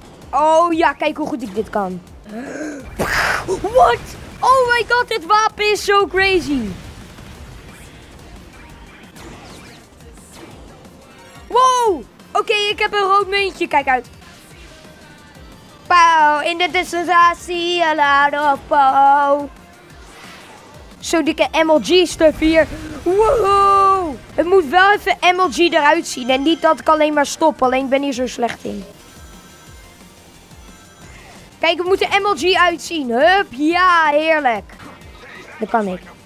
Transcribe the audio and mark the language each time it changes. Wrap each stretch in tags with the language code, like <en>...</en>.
<nl>Oh ja, kijk hoe goed ik dit kan. What? Oh my god, dit wapen is zo crazy. Wow. Oké, ik heb een rood muntje. Kijk uit. Pow.</nl> <en>In the distance I see a lot of pow.</en> <nl>Zo dikke MLG stuff hier. Woehoe. Het moet wel even MLG eruit zien. En niet dat ik alleen maar stop. Alleen ik ben hier zo slecht in. Kijk, we moeten MLG uitzien. Hup, ja, heerlijk. Dat kan ik.</nl>